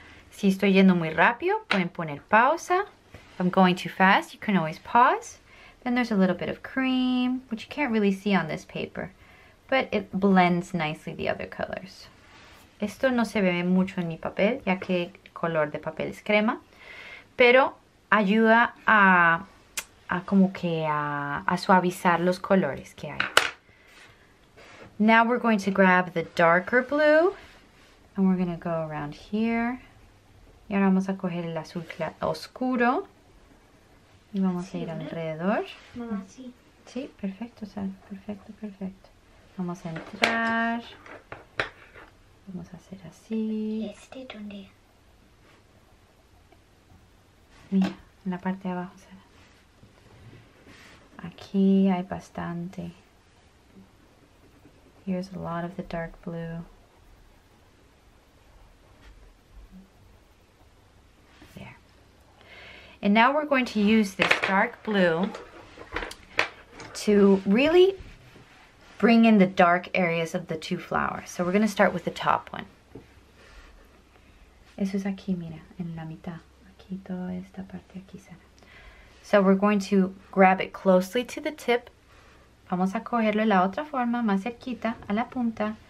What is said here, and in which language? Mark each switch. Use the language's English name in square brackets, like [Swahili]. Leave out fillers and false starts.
[Spanish] Si estoy yendo muy rápido, pueden poner pausa. [English] If I'm going too fast, you can always pause. Then there's a little bit of cream, which you can't really see on this paper. But it blends nicely the other colors. [Spanish] Esto no se ve mucho en mi papel, ya que el color de papel es crema. Pero ayuda a suavizar los colores que hay. [English] Now we're going to grab the darker blue. And we're going to go around here. [Spanish] Y ahora vamos a coger el azul oscuro. Y vamos a ir alrededor. Mamá, sí. Sí, perfecto, Sal. Perfecto, perfecto. Vamos a entrar. Vamos a hacer así. ¿Y este dónde? Mira, en la parte de abajo, Sara. Aquí hay bastante. [English] Here's a lot of the dark blue. There. And now we're going to use this dark blue to really bring in the dark areas of the two flowers. So we're going to start with the top one. [Spanish] Eso es aquí, mira, en la mitad. Aquí toda esta parte aquí, Sara. [English] So we're going to grab it closely to the tip. [Spanish] Vamos a cogerlo de la otra forma, más cerquita, a la punta.